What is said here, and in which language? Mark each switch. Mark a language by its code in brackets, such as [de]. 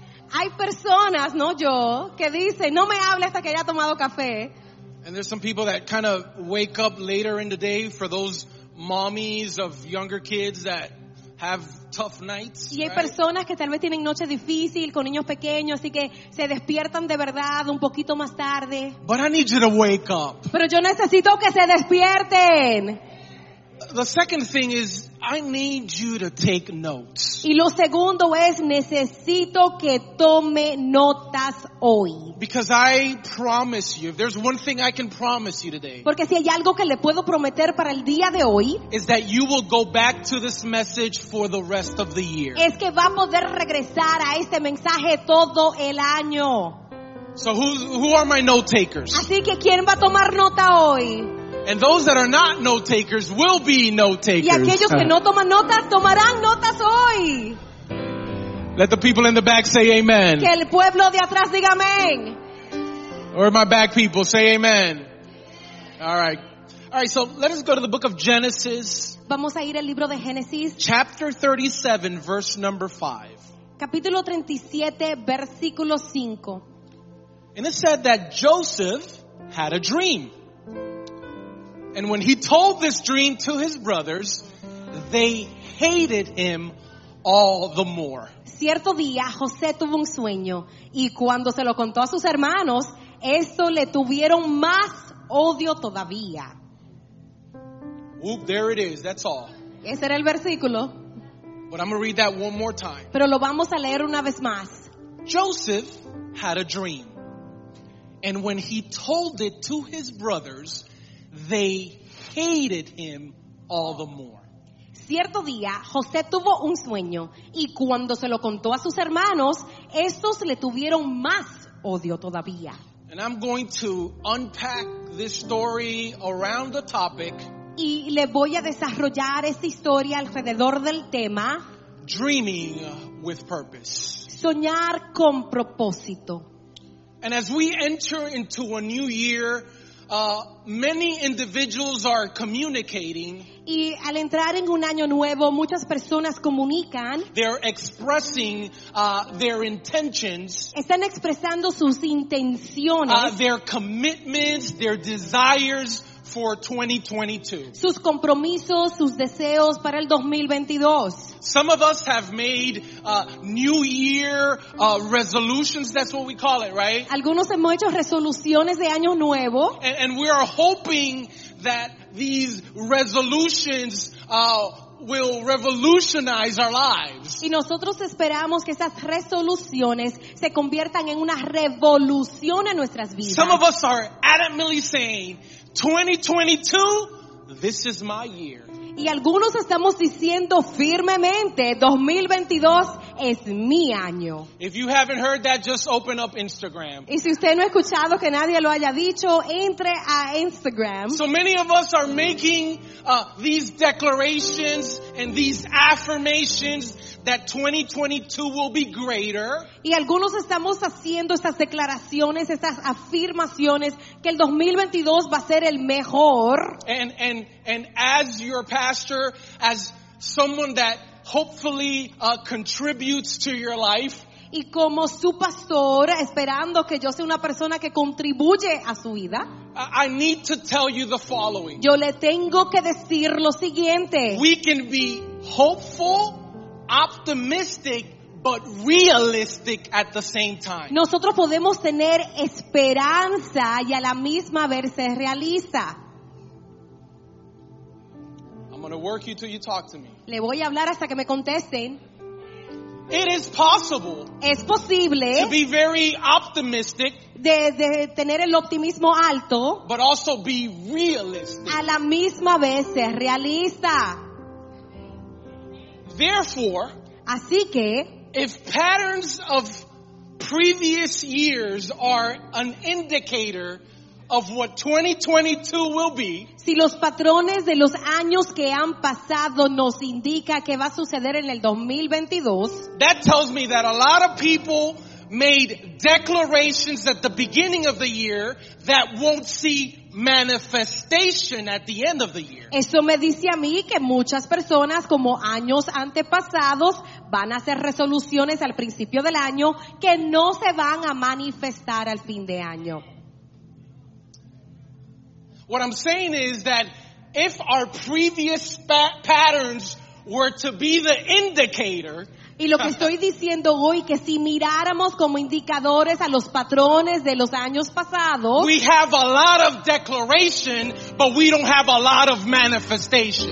[es] Hay personas, no yo, que dicen, no me hable hasta que haya tomado café. [en] And there's some people that kind of wake up later in the day for those mommies of younger kids that have tough nights. [es] Y hay personas que tal vez tienen noches difíciles con niños pequeños, así que se despiertan de verdad un poquito más tarde. [en] But I need you to wake up. [es] Pero yo necesito que se despierten. [en] The second thing is, I need you to take notes. [es] Y lo segundo es, necesito que tome notas hoy. [en] Because I promise you, if there's one thing I can promise you today, [es] porque si hay algo que le puedo prometer para el día de hoy, [en] is that you will go back to this message for the rest of the year. [es] Es que va a poder regresar a este mensaje todo el año. [en] So who are my note takers? [es] Así que ¿quién va a tomar nota hoy? [en] And those that are not note takers will be note takers. [es] Y aquellos que no toman notas tomarán notas hoy. [en] Let the people in the back say amen. [es] Que el pueblo de atrás diga amén. [en] Or my back people say amen. All right. So let us go to the book of Genesis. [es] Vamos a ir al libro de Génesis. [en] Chapter 37, verse number 5. [es] Capítulo 37, versículo 5. [en] And it said that Joseph had a dream. And when he told this dream to his brothers, they hated him all the more. [es] Cierto día, José tuvo un sueño, y cuando se lo contó a sus hermanos, eso le tuvieron más odio todavía. [en] Whoop, there it is, that's all. [es] Ese era el versículo. [en] But I'm going to read that one more time. [es] Pero lo vamos a leer una vez más. [en] Joseph had a dream, and when he told it to his brothers, they hated him all the more. [es] Cierto día, José tuvo un sueño, y cuando se lo contó a sus hermanos, estos le tuvieron más odio todavía. [en] And I'm going to unpack this story around the topic. [es] Y le voy a desarrollar esta historia alrededor del tema. [en] Dreaming with purpose. [es] Soñar con propósito. [en] And as we enter into a new year, many individuals are communicating. [es] Y al entrar en un año nuevo, muchas personas comunican. [en] They're expressing their intentions. [es] Están expresando sus intenciones. [en] Their commitments, their desires for 2022. [es] Sus compromisos, sus deseos para el 2022. [en] Some of us have made New Year resolutions. That's what we call it, right? [es] Algunos hemos hecho resoluciones de año nuevo. [en] And we are hoping that these resolutions will revolutionize our lives. [es] Y nosotros esperamos que esas resoluciones se conviertan en una revolución en nuestras vidas. [en] Some of us are adamantly saying, 2022, this is my year. [es] Y algunos estamos diciendo firmemente, 2022 es mi año. [en] If you haven't heard that, just open up Instagram. [es] Y si usted no ha escuchado que nadie lo haya dicho, entre a Instagram. [en] So many of us are making these declarations and these affirmations that 2022 will be greater. [es] Y algunos estamos haciendo estas declaraciones, estas afirmaciones que el 2022 va a ser el mejor. [en] And as your pastor, as someone that hopefully contributes to your life. [es] Y como su pastor, esperando que yo sea una persona que contribuye a su vida. [en] I need to tell you the following. [es] Yo le tengo que decir lo siguiente. [en] We can be hopeful, optimistic, but realistic at the same time. [es] Nosotros podemos tener esperanza y a la misma vez se realiza. [en] I'm going to work you till you talk to me. [es] Le voy a hablar hasta que me contesten. [en] It is possible. [es] Es posible. [en] To be very optimistic. [es] De tener el optimismo alto. [en] But also be realistic. [es] A la misma vez se realiza. [en] Therefore, [es] así que, [en] if patterns of previous years are an indicator of what 2022 will be, [es] si los patrones de los años que han pasado nos indica que va a suceder en el 2022, [en] that tells me that a lot of people made declarations at the beginning of the year that won't see manifestation at the end of the year. [es] Eso me dice a mí que muchas personas, como años antepasados, van a hacer resoluciones al principio del año que no se van a manifestar al fin de año. [en] What I'm saying is that if our previous patterns were to be the indicator. [es] Y lo que estoy diciendo hoy, que si miráramos como indicadores a los patrones de los años pasados, [en] we have a lot of declaration, but we don't have a lot of manifestation.